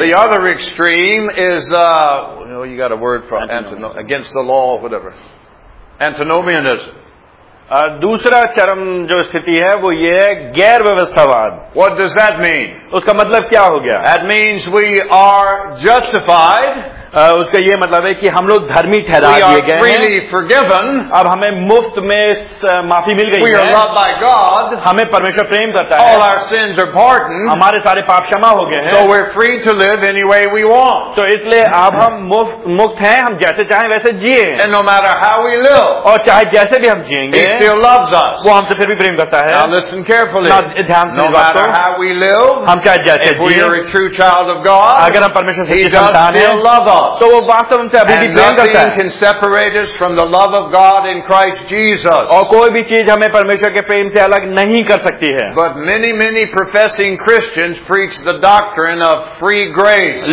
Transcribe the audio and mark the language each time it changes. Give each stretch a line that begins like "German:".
English: The other extreme is you got a word for antinomianism, against the law or whatever. Antinomianism.
Hindi: दूसरा चरम जो स्थिति है वो ये है गैर व्यवस्थावाद।
English: What does that mean?
Hindi: उसका मतलब क्या हो गया?
English: That means we are justified.
Hindi: उसका ये मतलब है कि हम लोग धर्मी ठहरा दिए गए हैं।
English: We are freely forgiven.
Hindi: अब हमें मुफ्त में माफी मिल गई है।
English: We are loved by God.
Hindi: हमें परमेश्वर प्रेम करता है।
English: All our sins are pardoned.
Hindi: हमारे सारे पाप क्षमा हो गए हैं।
English: So we're free to live any way we want.
Hindi: तो इसलिए अब हम मुक्त हैं, हम जैसे चाहें वैसे जिए।
English: And no matter how we live,
Hindi: और चाहे जैसे भी हम जिएंगे,
English: He still loves us.
Hindi: वो हमसे फिर भी प्रेम करता है।
English: Now listen carefully.
Hindi: ध्यान से बात करो।
English: No matter how we live,
Hindi: हम चाहे जैसे जिए,
English: if we are a true child of God,
Hindi: अगर हम परमेश्वर से संतान हैं, तो वो वास्तव में अभी भी प्रेम करता है।
English: And nothing can separate us from the love of God in Christ Jesus.
Hindi: और कोई भी चीज हमें परमेश्वर के प्रेम से अलग नहीं कर सकती है।
English: But many, many professing Christians preach the doctrine of free grace.